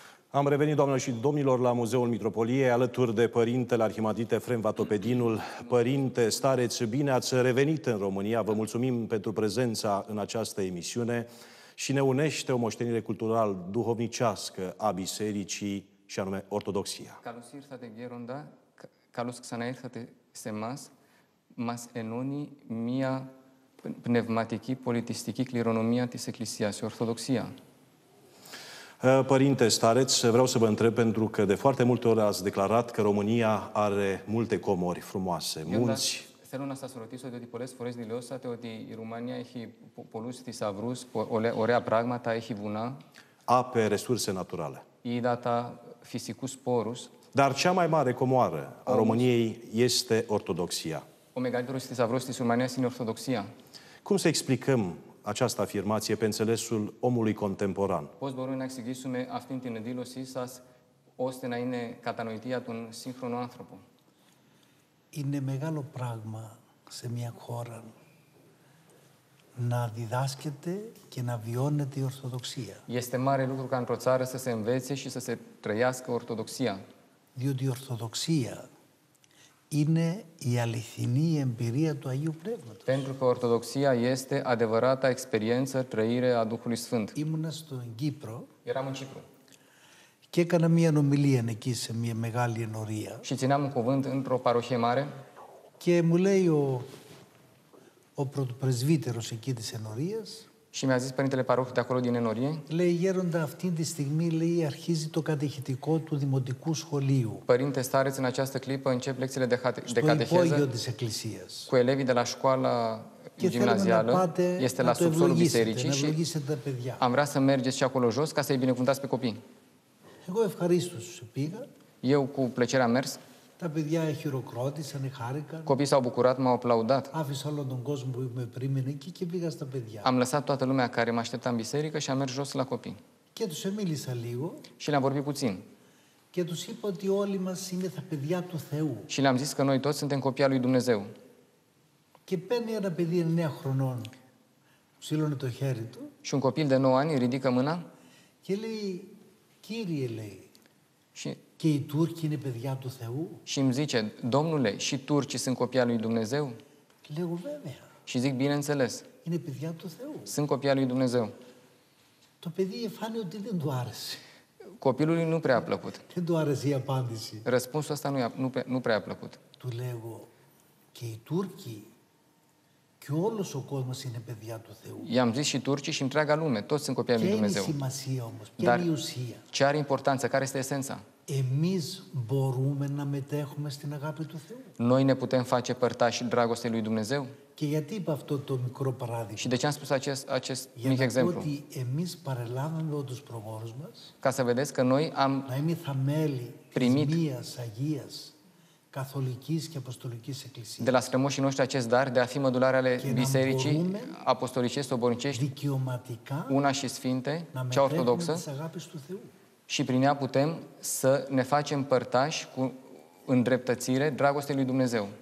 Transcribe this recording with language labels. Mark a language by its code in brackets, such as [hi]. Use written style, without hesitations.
[ro] Am revenit, doamnelor și domnilor, la Muzeul Mitropoliei, alături de părintele arhimandrit Efrem Vatopedinul. Părinte, stareț, bine ați revenit în România. Vă mulțumim pentru prezența în această emisiune. Și ne unește o moștenire cultural duhovnicească a bisericii, și anume ortodoxia. [el] Calosirsa de Gheronda, καλός ξαναήρθατε σε μας. Μας ενώνει μια πνευματική πολιτιστική κληρονομία της Εκκλησίας, η Ορθοδοξία. [ro] Părinte Stareț, vreau să vă întreb, pentru că de foarte multe ori ați declarat că România are multe comori frumoase, munți. [el] Θέλω να σας ρωτήσω, διότι πολλές φορές δηλώσατε ότι η Ρουμανία έχει πολλούς θησαυρούς, ωραία πράγματα, έχει βουνά. [ro] Ape, resurse naturale. [el] Ύδατα, φυσικούς πόρους. [ro] Dar cea mai mare comoară a României este Ορθοδοξία. [el] Ο μεγαλύτερος θησαυρός της Ρουμανίας είναι η Ορθοδοξία. [ro] Cum să explicăm această afirmație pe înțelesul omului contemporan? [el] Πώς μπορούμε να εξηγήσουμε αυτήν την δήλωσή σας, ώστε να είναι κατανοητή για τον σύγχρονο άνθρωπο? Είναι μεγάλο πράγμα σε μια χώρα να διδάσκεται και να βιώνεται η Ορθοδοξία. [ro] Este mare lucru când proțară să se învețe și să se trăiască Ορθοδοξία. [el] Διότι η Ορθοδοξία είναι η αληθινή εμπειρία του Αγίου Πνεύματος. [ro] Pentru că Ορθοδοξία este adevărata experiență, trăire a Duhului Sfânt. [el] Ήμουνα στον Κύπρο. [ro] Eram în Cipru. [el] Και έκανα μία ομιλία εκεί σε μία μεγάλη ενορία. [ro] Și țineam un cuvânt într-o parohie mare. [el] Και μου λέει ο πρωτοπρεσβύτερος εκεί της ενορίας. [ro] Și mi-a zis părintele parohul de acolo din ενορία. [el] Λέει, γέροντα, αυτήν τη στιγμή, λέει, αρχίζει το κατεχητικό του δημοτικού σχολείου. [ro] Părinte Stareț, în această clipă, încep lecțiile de κατεχέζα. [el] Στο υπόγειο της Εκκλησίας. [ro] Cu elevii de la școala gimnazială, este la subsolul bisericii. Am vrea să mergeți și acolo jos ca să-i binecuvântați pe copii. [el] Εγώ ευχαρίστως πήγα. [ro] Eu cu plăcere am mers. [el] Τα παιδιά χειροκρότησαν, χάρηκαν. [ro] Copiii s-au bucurat, m-au aplaudat. [el] Άφησα όλο τον κόσμο που με περίμενε εκεί και πήγα στα παιδιά. [ro] Am lăsat toată lumea care mă aștepta în biserică și am mers jos la copii. [el] Και τους μίλησα λίγο. [ro] Și le-am vorbit puțin. [el] Και τους είπα ότι όλοι μας είναι τα παιδιά του Θεού. [ro] Și le-am zis că noi toți suntem copii al lui Dumnezeu. [el] Και παίρνει ένα παιδί 9 χρονών. Ψήλωνε το χέρι του. [ro] Și un copil de 9 ani ridică mâna. [el] Και λέει, Κύριε, λέει, και οι Τούρκοι είναι παιδιά του Θεού. [ro] Și îmi zice, Domnule, și Turcii sunt copii al lui Dumnezeu? [el] Λέω, βέβαια. [ro] Și zic, bineînțeles. [el] Είναι παιδιά του Θεού. [ro] Sunt copii al lui Dumnezeu. [el] Το παιδί φάνηκε ότι δεν του άρεσε. [ro] Copilului nu prea a plăcut. [el] Δεν του άρεσε η απάντηση. [ro] Răspunsul ăsta nu prea a plăcut. [el] Του λέω, και οι Τούρκοι και όλος ο κόσμος είναι παιδιά του Θεού. [ro] I-am zis și turcii și întreaga lume, toți sunt copii ai lui Dumnezeu. [el] Ce σημασία όμως, ποια είναι η ουσία. [ro] Ce are importanță, care este esența? [el] Εμείς μπορούμε να μετέχουμε στην αγάπη του Θεού. [ro] Noi ne putem face părtași dragostei lui Dumnezeu. [el] Και γιατί είπα αυτό το μικρό παράδειγμα. [ro] Și de ce am spus acest mic exemplu. [el] Γιατί εμείς παρελάβαμε όντως προγόνους μας. [ro] Ca să vedeți că noi am [el] να είμαι θαμέλη χριστιανίας, Αγίας, Καθολικής και Αποστολικής Εκκλησίας. [ro] De la strămoșii noștri acest dar de a fi mădulare ale Bisericii Apostolice, Sobornicești, [el] δικαιωματικά, [ro] una și sfinte, cea ortodoxă, și prin ea putem să ne facem părtași cu îndreptățire dragostei lui Dumnezeu.